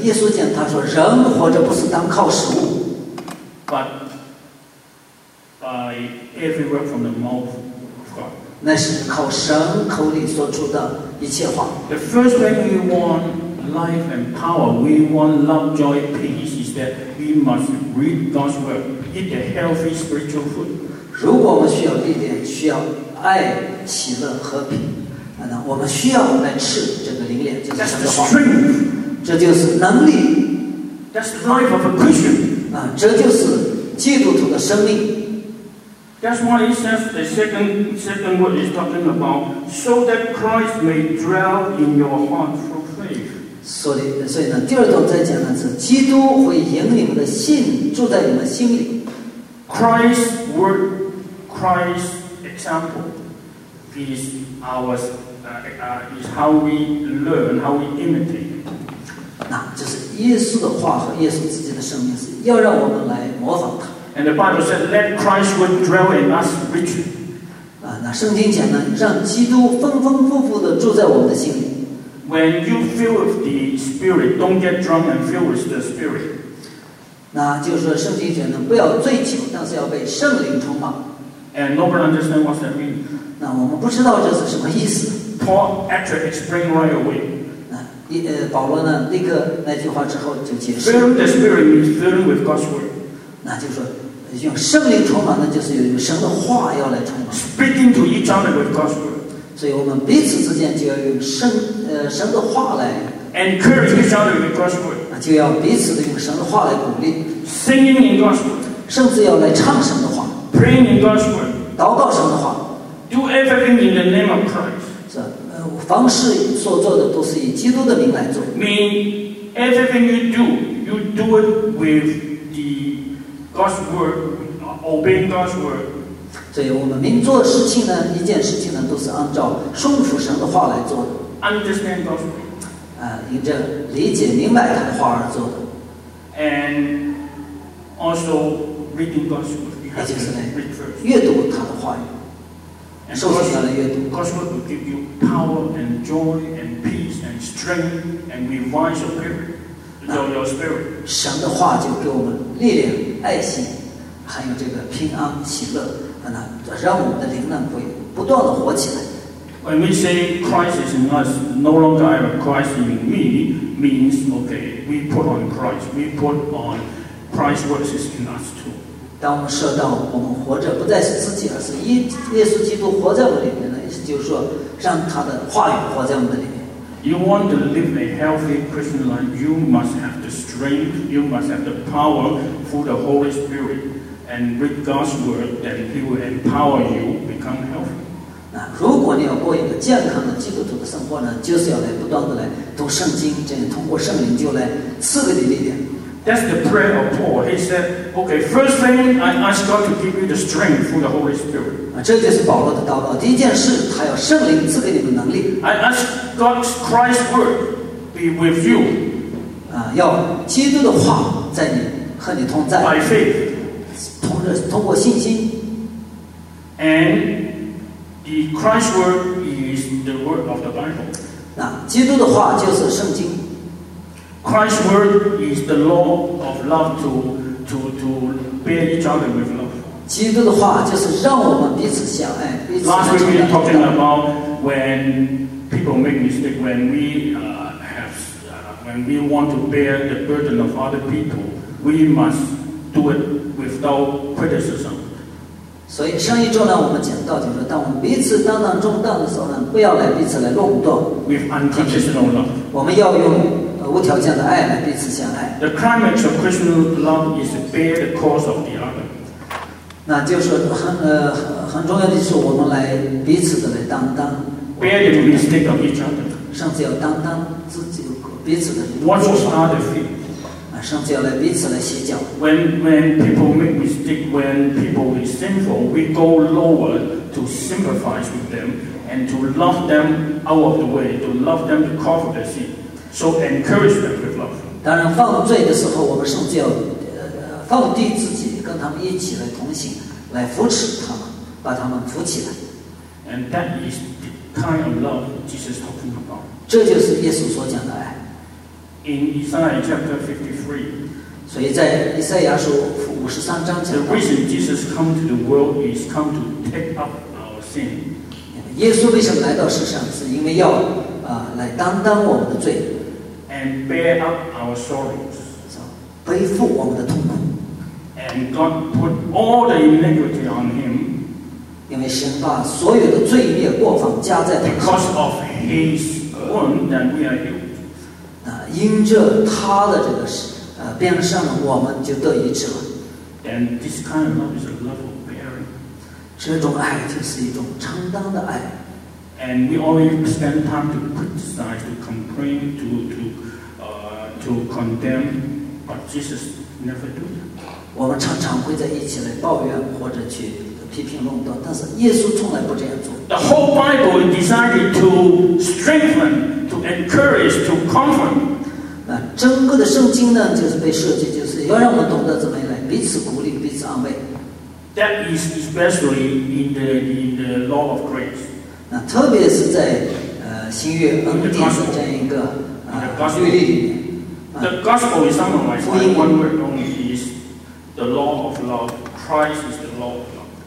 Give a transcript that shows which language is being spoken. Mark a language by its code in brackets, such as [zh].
[zh] 耶稣讲，他说，人活着不是单靠食物 [en] ，but by every word from the mouth. [zh] 那是靠神口里说出的一切话。 [en] The first thing we want life and power, we want love, joy, peace, is that we must read God's word, eat a healthy spiritual food. [zh] 如果我们需要力量，需要爱、喜乐、和平，那我们需要来吃这个灵粮，就是神的话。 [en] That's the strength. [zh] 这就是能力。 [en] That's the life of a Christian. [zh] 这就是基督徒的生命。 [en] That's why he says the second word is talking about so that Christ may dwell in your heart through faith. [zh] 所以呢，第二段在讲的是基督会引你们的信住在你们心里。 [en] Christ's word, Christ's example is ours, is how we learn, how we imitate. [zh] 那就是耶稣的话和耶稣自己的生命是要让我们来模仿他。 [en] And the Bible said, "Let Christ would dwell in us richly." [zh] 那圣经讲呢，让基督丰丰富富的住在我们的心里。 [en] When you fill with the Spirit, don't get drunk and fill with the Spirit. [zh] 那就是说，圣经讲呢，不要醉酒，但是要被圣灵充满。 [en] And nobody understands what that means. [zh] 那我们不知道这是什么意思。 [en] Paul actually explained right away. [zh] 保罗呢，那个那句话之后就解释。 [en] Fill the Spirit means filling with God's word. [zh] 那就是说，用圣灵充满呢，就是有神的话要来充满。 [en] Speaking to each other with God's word. [zh] 所以我们彼此之间就要用神的话来。 [en] Encourage each other with God's word. [zh] 就要彼此的用神的话来鼓励。 [en] Singing in God's word. [zh] 甚至要来唱神的话 [en] praying in God's word [zh] 祷告神的话 [en] do everything in the name of Christ [zh] 是、凡事所做的都是以基督的名来做 [en] mean everything you do it with the God's word obeying God's word [zh] 所以我们明做事情呢一件事情呢都是按照顺服神的话来做的 [en] understand God's word [zh] 因着理解明白他的话而做的 [en] and also reading God's word [zh] 也就是呢阅读他的话语受洗他的阅读 [en] God's word will give you power and joy and peace and strength and revive your spirit your spirit [zh] 神的话就给我们力量爱心还有这个平安喜乐让我们的灵能会不断地活起来 [en] When we say Christ is in us No longer I have Christ in me Means okay We put on Christ We put on Christ's works is in us too [zh] 当我们说到我们活着不再是自己而是耶稣基督活在我里面呢意思就是说让他的话语活在我们的里面 [en] You want to live a healthy Christian life You must have the strength You must have the power through the Holy SpiritAnd read God's word, then He will empower you become healthy. [zh] 那如果你要过一个健康的基督徒的生活呢，就是要来不断的来读圣经，这样通过圣灵就来赐给你力量。 [en] That's the prayer of Paul. He said, "Okay, first thing, I ask God to give you the strength through the Holy Spirit." [zh] 啊，这就是保罗的祷告。第一件事，他要圣灵赐给你们能力。 [en] I ask God's Christ's word be with you. [zh] 啊，要基督的话在你和你同在。 [en] By faith. [zh] 通过信心 [en] and the Christ's word is the word of the Bible [zh] 那基督的话就是圣经 [en] Christ's word is the law of love to bear each other with love [zh] 基督的话就是让我们彼此相爱 [en] Last week we were talking about when people make mistakes when we have when we want to bear the burden of other people we mustdo it without criticism [zh] 所以上一周呢我们讲到就是说当我们彼此担当重担的时候呢不要来彼此来论断 [en] with unconditional love [zh] 我们要用无条件的爱来彼此相爱 [en] the climax of Christian love is to bear the cause of the other [zh] 那就是 很重要的就是我们来彼此的来担当 [en] bear the mistake of each other [zh] 上次要担当自己彼此的 [en] watch for other feet [zh] 上次要来彼此来协教 [en] when people make mistakes when people are sinful we go lower to sympathize with them and to love them out of the way to love them to cover their sin so encourage them with love [zh] 当然犯罪的时候我们上次要放低自己跟他们一起来同行来扶持他们把他们扶起来 [en] and that is the kind of love Jesus talking about [zh] 这就是耶稣所讲的爱 [en] In Isaiah chapter 53, [zh] 所以在以赛亚书五十三章讲到 [en] The reason Jesus come to the world is come to take up our sin. [zh] 耶稣为什么来到世上，是因为要来担当我们的罪 [en] ，and bear up our sorrows, [zh] 背负我们的痛苦 [en] ，and God put all the iniquity on him. [zh] 因为神把所有的罪孽过犯加在他身上 [en] ，because of his wound that we are healed. [zh] 因着他的这个鞭伤我们就得医治了 [en] And this kind of love is a love of bearing [zh] 这种爱就是一种承担的爱 [en] And we always spend time to criticize, to complain, to condemn But Jesus never do that [zh] 我们常常会在一起来抱怨或者去批评论断但是耶稣从来不这样做 [en] The whole Bible is designed to strengthen, to encourage, to comfort [zh] 整个的圣经呢就是被设计就是要让我们懂得怎么来彼此鼓励彼此安慰 [en] That is especially in the law of grace [zh] 那特别是在新约恩典的这样一个律例里面 [en] The gospel is summarized by one word only is the law of love Christ is the law of love